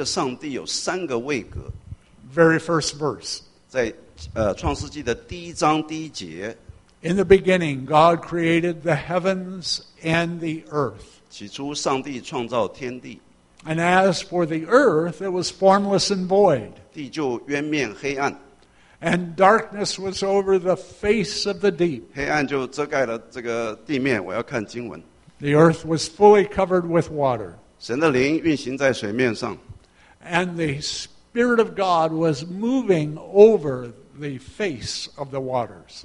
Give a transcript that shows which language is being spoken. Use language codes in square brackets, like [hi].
[zh] 我们在创世纪第一章，你就会看到那边有一个上帝，有三个位格。 [en] Very first verse. [zh] 在创世纪的第一章第一节。 [en] In the beginning, God created the heavens and the earth. [zh] 起初上帝创造天地。 [en] And as for the earth, it was formless and void. [zh] 地就渊面黑暗。 [en] And darkness was over the face of the deep. [zh] 黑暗就遮盖了这个地面，我要看经文。 [en] The earth was fully covered with water. [zh] 神的灵运行在水面上。 [en] And the Spirit of God was moving over the face of the waters.